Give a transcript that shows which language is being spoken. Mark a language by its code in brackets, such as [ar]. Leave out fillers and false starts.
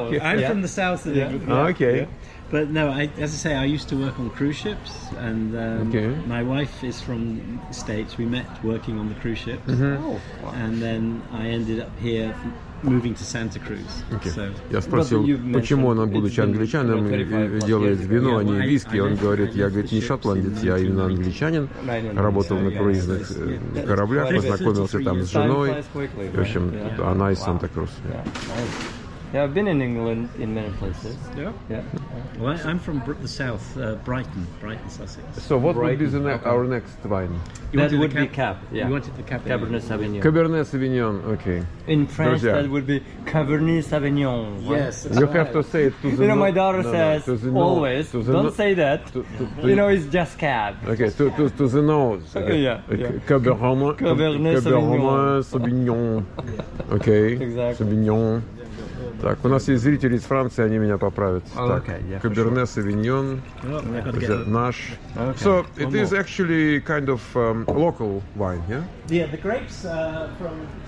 [en] Okay. I'm from the south of England. Yeah. Okay. But no, as I say, I used to work on cruise ships, and my wife is from the States. We met working on the cruise ships, mm-hmm. And then I ended up here moving to Santa Cruz. Okay. So, [ru] я спросил, почему она, будучи англичаном, делает вино, а не виски. Он говорит, я, говорит, не шотландец, я именно англичанин. Работал на круизных кораблях, познакомился там с женой. В общем, она из Santa Cruz. [en] Yeah, I've been in England in many places. Yeah. Well, I'm from the south, Brighton, Sussex. So what would be our next wine? That would be Cab. Yeah. You wanted the Cab. Cabernet Sauvignon. Cabernet Sauvignon, okay. In French, that would be Cabernet Sauvignon. Yes. You have to say it to the... You know, my daughter says, always, don't say that. You know, it's just Cab. Okay, to the nose. Yeah. Cabernet Sauvignon. Okay. Exactly. Sauvignon. [ru] Так, у нас есть зрители из Франции, они меня поправят. Каберне Савиньон, наш. [en] So, it is actually kind of local wine, yeah? Yeah, the grapes are from...